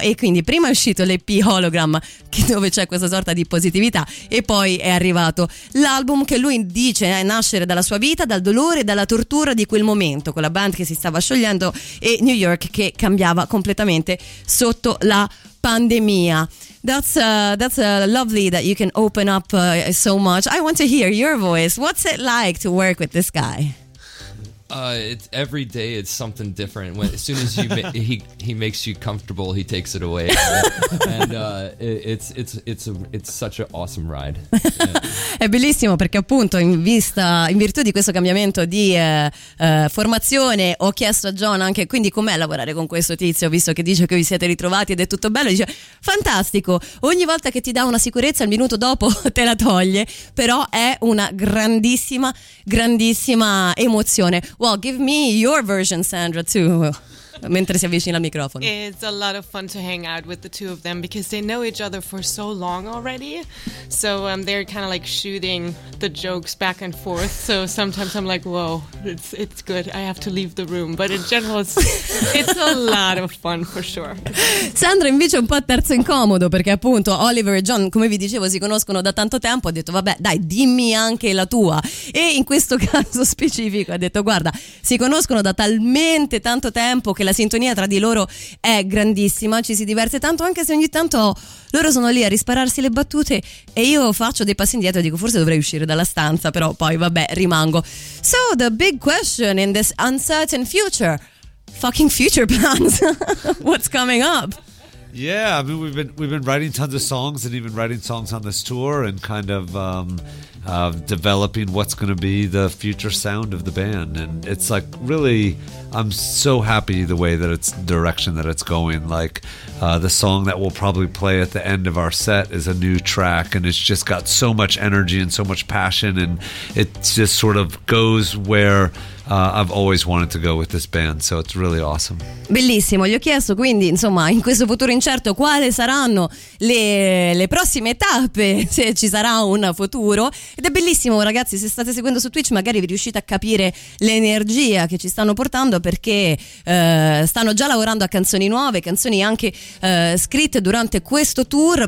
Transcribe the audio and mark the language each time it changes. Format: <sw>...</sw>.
<it>E quindi prima è uscito l'EP Hologram, che dove c'è questa sorta di positività, e poi è arrivato l'album che lui dice nascere dalla sua vita, dal dolore e dalla tortura di quel momento, con la band che si stava sciogliendo e New York che cambiava completamente sotto la pandemia.</it> <en>That's lovely that you can open up so much. I want to hear your voice. What's it like to work with this guy? It's every day it's something different. When, as soon as you he makes you comfortable, he takes it away. And it's such an awesome ride.</en> <it>Yeah. È bellissimo, perché appunto in virtù di questo cambiamento di formazione, ho chiesto a John anche quindi com'è lavorare con questo tizio, visto che dice che vi siete ritrovati ed è tutto bello. Dice fantastico, ogni volta che ti dà una sicurezza il minuto dopo te la toglie, però è una grandissima, grandissima emozione.</it> <en>Well, give me your version, Sandra, too.</en> <it>mentre si avvicina al microfono.</it> <en>It's a lot of fun to hang out with the two of them because they know each other for so long already. So they're kind of like shooting the jokes back and forth. So sometimes I'm like, whoa, it's good. I have to leave the room. But in general, it's a lot of fun for sure.</en> <it>Sandra invece è un po' terzo incomodo perché appunto Oliver e John, come vi dicevo, si conoscono da tanto tempo. Ha detto, vabbè, dai, dimmi anche la tua. E in questo caso specifico ha detto, guarda, si conoscono da talmente tanto tempo che la sintonia tra di loro è grandissima, ci si diverte tanto, anche se ogni tanto loro sono lì a rispararsi le battute e io faccio dei passi indietro e dico, forse dovrei uscire dalla stanza, però poi vabbè, rimango.</it> <en>So the big question in this uncertain future, fucking future plans, what's coming up? Yeah, I mean, we've been writing tons of songs and even writing songs on this tour and kind of developing what's going to be the future sound of the band. And it's like, really, I'm so happy the way that it's direction that it's going. Like the song that we'll probably play at the end of our set is a new track, and it's just got so much energy and so much passion, and it just sort of goes where I've always wanted to go with this band, so it's really awesome.</en> <it>Bellissimo, gli ho chiesto quindi, insomma, in questo futuro incerto, quali saranno le prossime tappe, se ci sarà un futuro. Ed è bellissimo, ragazzi, se state seguendo su Twitch magari vi riuscite a capire l'energia che ci stanno portando, perché stanno già lavorando a canzoni nuove, canzoni anche scritte durante questo tour.</it>